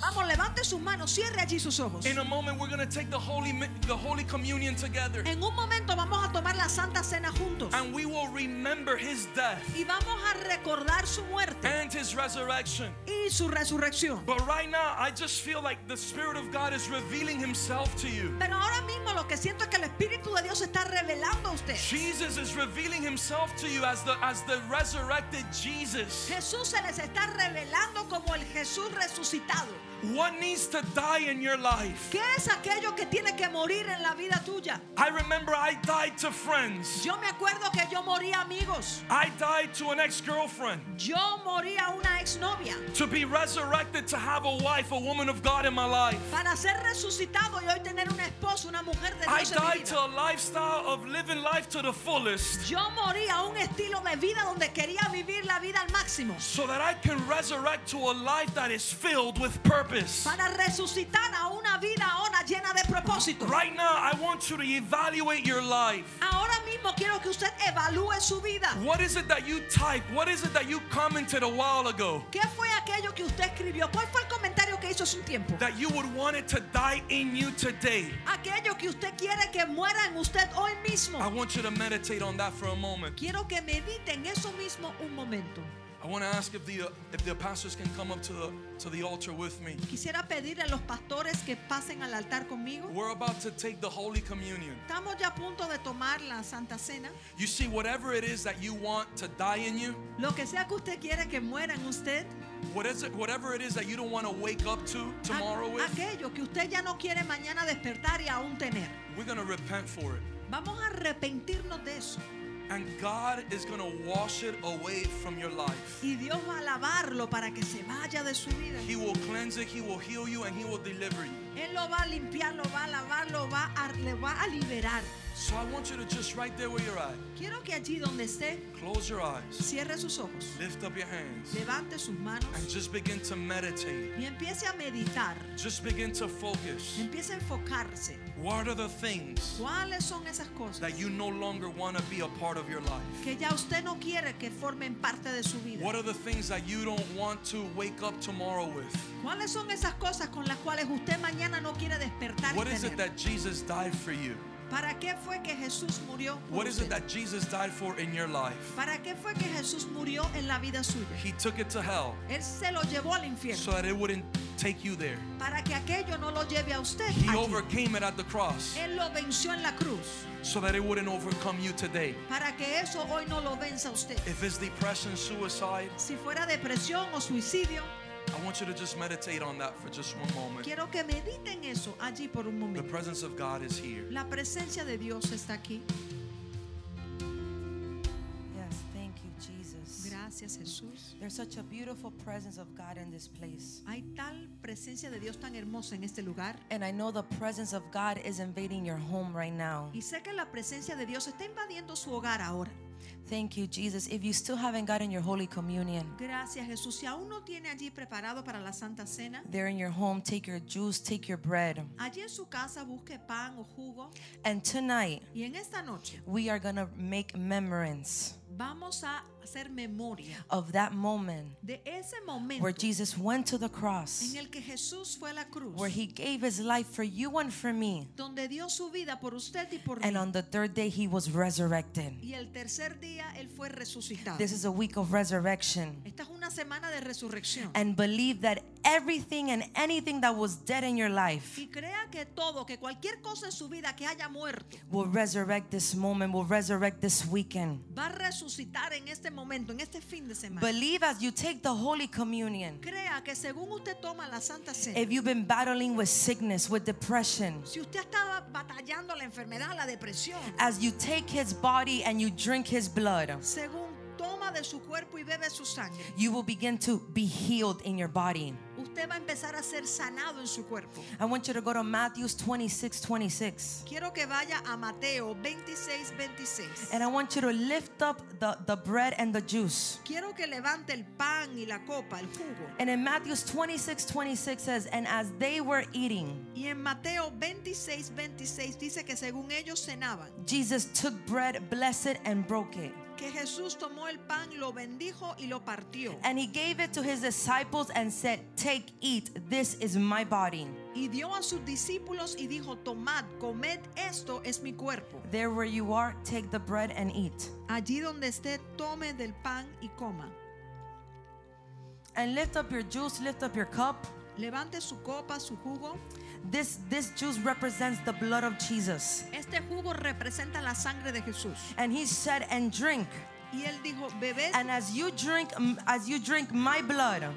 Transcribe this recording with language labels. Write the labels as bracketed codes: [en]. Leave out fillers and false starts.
[es] Vamos, levante sus manos, cierre allí sus ojos. [en] In a moment we're going to take the holy communion together. [es] En un momento vamos a tomar la Santa Cena juntos. [en] And we will remember his death. [es] Y vamos a recordar su muerte. [en] And his resurrection. [es] Y su resurrección. [en] But right now I just feel like the Spirit of God is revealing himself to you. [es] Pero ahora mismo lo que siento es que el Espíritu de Dios está revelando a usted. [en] Jesus is revealing himself to you as the resurrected Jesus. [es] Jesús se les está revelando como el Jesús resucitado. [en] What needs to die in your life? [es] ¿Qué es aquello que tiene que morir en la vida tuya? [en] I remember I died to friends. [es] Yo me acuerdo que yo morí a amigos. [en] I died to an ex-girlfriend. [es] Yo morí a una exnovia. [en] To be resurrected to have a wife, a woman of God in my life. [es] Para ser resucitado y hoy tener una esposa, una mujer de Dios. [en] I died to a lifestyle of living life to the fullest. [es] Yo morí a un estilo de vida donde quería vivir la vida al máximo. [en] So that I can resurrect to a life that is filled with purpose. [es] Para resucitar a una vida ahora llena de propósito. [en] Right now, I want you to evaluate your life. [es] Ahora mismo quiero que usted evalúe su vida. [en] What is it that you type? What is it that you commented a while ago? [es] ¿Qué fue aquello que usted escribió? ¿Cuál fue el comentario que hizo hace un tiempo? [en] That you would want it to die in you today. [es] Aquello que usted quiere que muera en usted hoy mismo. [en] I want you to meditate on that for a moment. [es] Quiero que medite en eso mismo un momento. [en] I want to ask if the pastors can come up to the altar with me. [es] Quisiera pedir a los pastores que pasen al altar conmigo. [en] We're about to take the Holy Communion. [es] Estamos ya a punto de tomar la Santa Cena. [en] You see, whatever it is that you want to die in you. [es] Lo que sea que usted quiera que muera en usted. [en] What is it, whatever it is that you don't want to wake up to tomorrow with. [es] Aquello que usted ya no quiere mañana despertar y aún tener. [en] We're going to repent for it. [es] Vamos a arrepentirnos de eso. [en] And God is going to wash it away from your life. [es] Y Dios va a lavarlo para que se vaya de su vida. [en] He will cleanse it, he will heal you, and he will deliver you. [es] Él lo va a limpiar, lo va a lavar, le va a liberar. [en] So I want you to just right there where you're at. [es] Quiero que allí donde esté. [en] Close your eyes. [es] Cierre sus ojos. [en] Lift up your hands. [es] Levante sus manos. [en] And just begin to meditate. [es] Y empiece a meditar. [en] Just begin to focus. [es] Empiece a enfocarse. [en] What are the things? [es] ¿Cuáles son esas cosas? [en] That you no longer want to be a part of your life. [es] Que ya usted no quiere que formen parte de su vida. [en] What are the things that you don't want to wake up tomorrow with? [es] ¿Cuáles son esas cosas con las cuales usted mañana no quiere despertar? [en] What is it that Jesus died for you? [es] ¿Para qué fue que Jesús murió por [en] What is it that Jesus died for in your life? [es] ¿Para qué fue que Jesús murió en la vida suya? [en] He took it to hell. [es] Él se lo llevó al infierno. [en] So that it wouldn't take you there. [es] Para que aquello no lo lleve a usted. [en] He overcame it at the cross. [es] Él lo venció en la cruz. [en] So that it wouldn't overcome you today. [es] Para que eso hoy no lo venza usted. [en] If it's depression, suicide. [es] Si fuera depresión o suicidio. [en] I want you to just meditate on that for just one moment. [es] Quiero que mediten eso allí por un momento. [en] The presence of God is here. [es] La presencia de Dios está aquí. [en] Yes, thank you, Jesus. [es] Gracias. Gracias, Jesús. [en] There's such a beautiful presence of God in this place. [es] Hay tal presencia de Dios tan hermosa en este lugar. [en] And I know the presence of God is invading your home right now. [es] Y sé que la presencia de Dios está invadiendo su hogar ahora. [en] Thank you, Jesus. If you still haven't gotten your Holy Communion, [es] gracias, Jesús. Si aún no tiene allí preparado para la Santa Cena, [en] there in your home, take your juice, take your bread. [es] Allí en su casa, busque pan o jugo. [en] And tonight, [es] y en esta noche, [en] we are going to make memories. [es] Vamos a hacer memoria [en] of that moment, [es] de ese momento [en] where Jesus went to the cross, [es] en el que Jesús fue a la cruz, [en] where he gave his life for you and for me, [es] donde dio su vida por usted y por [en] and [es] mí. [en] On the third day he was resurrected. [es] Y el tercer día, él fue resucitado. [en] This is a week of resurrection. [es] Esta es una semana de resurrección. [en] And believe that everything and anything that was dead in your life, [es] y crea que todo, que cualquier cosa en su vida que haya muerto, [en] will resurrect this moment, will resurrect this weekend. [es] Va a resucitar en este momento, en este fin de semana. [en] Believe as you take the Holy Communion. [es] Crea que según usted toma la Santa Cena. [en] If you've been battling with sickness, with depression, [es] si usted estaba batallando la enfermedad, la depresión, [en] as you take his body and you drink his blood, [es] según toma de su cuerpo y bebe su sangre, [en] you will begin to be healed in your body. [es] Usted va a empezar a ser sanado en su cuerpo. [en] I want you to go to Matthew 26:26. [es] Quiero que vaya a Mateo 26:26. [en] And I want you to lift up the bread and the juice. [es] Quiero que levante el pan y la copa, el jugo. [en] And in Matthew 26:26 says, and as they were eating, [es] y en Mateo 26:26 dice que según ellos cenaban, [en] Jesus took bread, blessed it, and broke it. [es] Que Jesús tomó el pan, lo bendijo y lo partió. [en] And he gave it to his disciples and said, take, eat, this is my body. [es] Y dio a sus discípulos y dijo, tomad, comed, esto es mi cuerpo. [en] There where you are, take the bread and eat. [es] Allí donde esté, tome del pan y coma. [en] And lift up your juice, lift up your cup. [es] Levante su copa, su jugo. [en] This juice represents the blood of Jesus. [es] Este jugo representa la sangre de Jesús. [en] And he said, and drink. [es] Y él dijo, bebed. [en] And as you drink my blood,